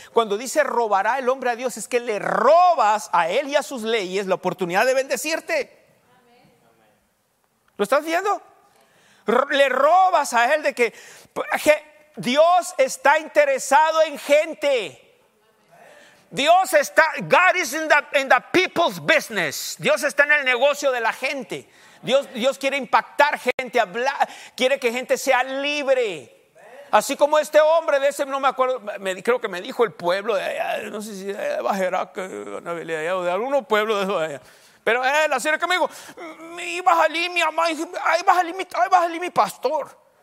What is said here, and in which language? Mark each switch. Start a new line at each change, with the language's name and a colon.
Spanish: Cuando dice robará el hombre a Dios, es que le robas a él y a sus leyes la oportunidad de bendecirte. ¿Lo estás viendo? Le robas a él de que Dios está interesado en gente. Dios está,
English: God is in the people's business.
Spanish: Dios está en el negocio de la gente. Dios quiere impactar gente, hablar, quiere que gente sea libre. Así como este hombre de ese, no me acuerdo, creo que me dijo el pueblo de allá, no sé si de Bajerá, o de algún pueblo de allá. Pero la señora que me dijo, ahí va a salir mi pastor.